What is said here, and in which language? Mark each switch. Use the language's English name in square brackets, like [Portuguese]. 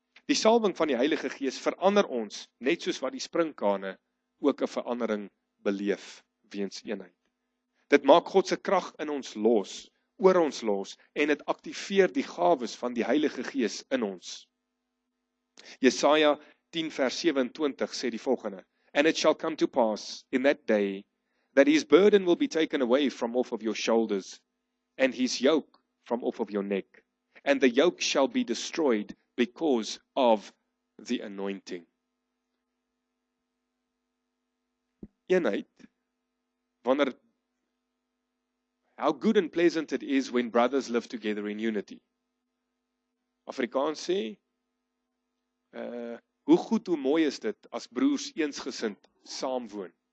[Afrikaans] Die salwing van die Heilige Gees verander ons, net soos wat die sprinkane ook 'n verandering beleef weens eenheid. Dit maak God se krag in ons los, oor ons los, en dit aktiveer die gawes van die Heilige Gees in ons. Jesaja 10 vers 27 sê die volgende: [English] And it shall come to pass in that day that his burden will be taken away from off of your shoulders and his yoke from off of your neck, and the yoke shall be destroyed because of the anointing. [Afrikaans] Eenheid, wanneer, [English] how good and pleasant it is when brothers live together in unity. [Afrikaans] Afrikaans sê, hoe goed, hoe mooi is dit as broers eensgesind saamwoon.